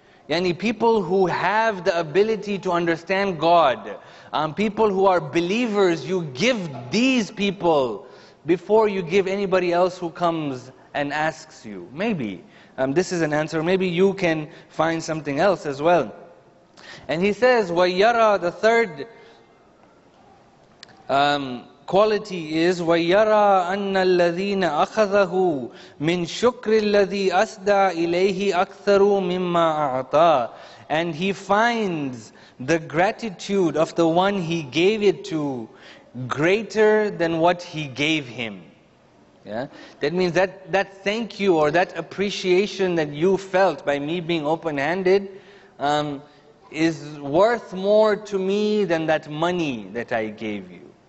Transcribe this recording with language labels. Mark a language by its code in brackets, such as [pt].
[en] Yani people who have the ability to understand God, people who are believers, you give these people before you give anybody else who comes and asks you. Maybe this is an answer. Maybe you can find something else as well. And he says, [ar] وَيَّرَى, [en] the third quality is, [ar] وَيَّرَى أَنَّ الَّذِينَ أَخَذَهُ مِن شُكْرِ الَّذِي أَسْدَى إِلَيْهِ أَكْثَرُ مِمَّا أَعْطَى. [en] And he finds the gratitude of the one he gave it to greater than what he gave him. Yeah, that means that thank you or that appreciation that you felt by me being open-handed is worth more to me than that money that I gave you.